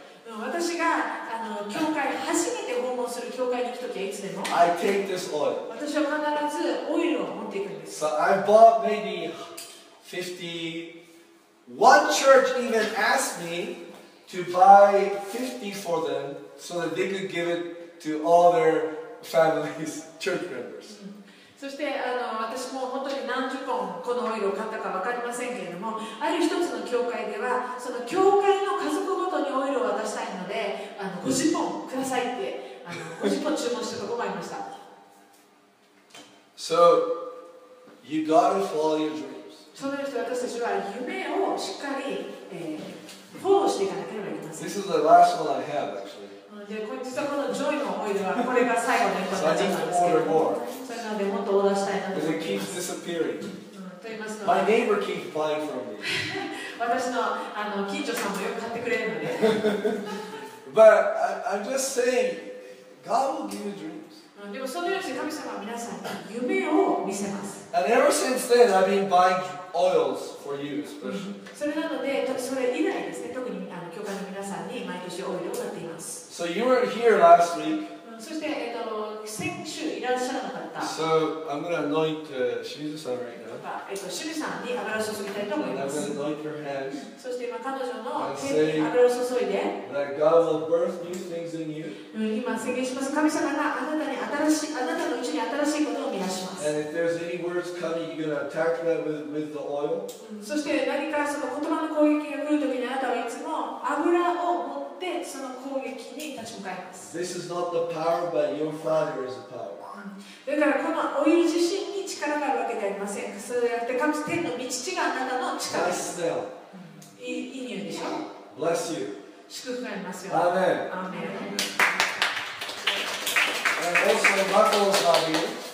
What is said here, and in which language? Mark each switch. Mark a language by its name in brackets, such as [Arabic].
[Japanese] 私が教会初めて訪問する教会に行くときはいつでも、 [English] I take this oil. [Japanese] 私は必ずオイルを持っていくんです。 [English] So I bought maybe 50. One church even asked me to buy 50 for them so that they could give it to all their families, church members. [Japanese] そして私も本当に何十本このオイルを買ったか分かりませんけれども、ある一つの教会ではその教会の家族ごとにオイルを渡したいので50本くださいって50本注文したところがありました。 [English] So, you gotta follow your dreams. [Japanese] そのように私たちは夢をしっかり、フォローしていかなければいけません。 [English] This is the last one I have actually. [Japanese] 実はこのジョイのオイルはこれが最後の一番だったんですけど、それなのでもっとオーダーしたいなと思います。 [English] Because it keeps disappearing. [Japanese] と言いますの [English] は、My neighbor keeps buying from me. [Japanese] 私の近所さんもよく買ってくれるので。 [English] But I'm just saying, God will give you dreams. [Japanese] でもそのように神様は皆さんに夢を見せます。 [English] And ever since then, I've been buying oils for you, especially. [Japanese] それなので、それ以来ですね、特に教会の皆さんに毎年オイルを買っています。 [English] So you were here last week. [Japanese] そして先週いらっしゃらなかった。 [English] So I'm gonna anoint Shimizu-san right now. [Japanese] 清水さんに油を注ぎたいと思います。 [English] And I'm gonna anoint her hands. [Japanese] そして今彼女の手に油を注いで。 [English] That God will birth new things in you. [Japanese] 今宣言します。神様があなたに新しい、あなたのうちに新しいことを見出します。 [English] And if there's any words coming, you're gonna attack that with the oil. [Japanese] そして何かその言葉の攻撃が来るときに、あなたはいつも油をでその攻撃に立ち向かいます。 [English] This is not the power, but your father is the power. [Japanese] だからこのオイル自身に力があるわけではありません。それやって神様天の御父があなたの力です。 [English] Bless them. [Japanese] いい匂いでしょ。 [English] Bless you. [Japanese] 祝福がありますよ。 [English] Amen. Amen. And also, Michael's not here.